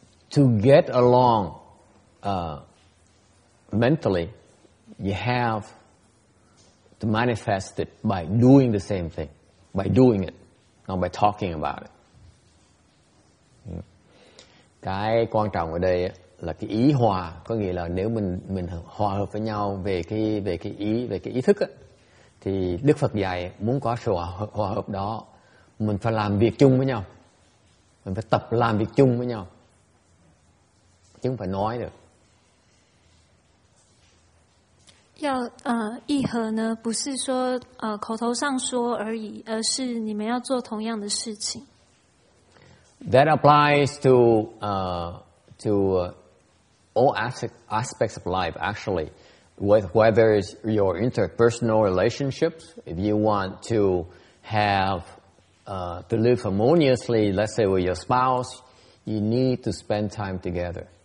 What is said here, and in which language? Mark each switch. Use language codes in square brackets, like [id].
[en] To get along mentally, you have to manifest it by doing the same thing, by doing it, not by talking about it. [vi] Cái quan trọng ở đây là cái ý hòa, có nghĩa là nếu mình hòa hợp với nhau về cái ý thức á, thì Đức Phật dạy muốn có sự hòa hợp đó, mình phải làm việc chung với nhau, mình phải tập làm việc chung với nhau, chứ không phải nói được. [zh] 要议和呢，不是说口头上说而已，而是你们要做同样的事情。 [en] That applies to all aspects of life, actually, whether it's your interpersonal relationships, if you want to have to live harmoniously, let's say with your spouse, you need to spend time together.